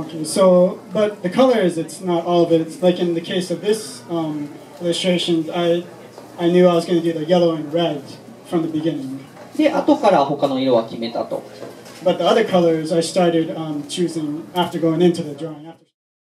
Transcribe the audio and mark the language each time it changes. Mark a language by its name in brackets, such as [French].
[English] Okay, so, but the colors, it's not all of it. It's like in the case of this illustration, I knew I was going to do the yellow and red from the beginning. [Japanese] で、後から他の色は決めたと。 [English] But the other colors I started choosing after going into the drawing. After...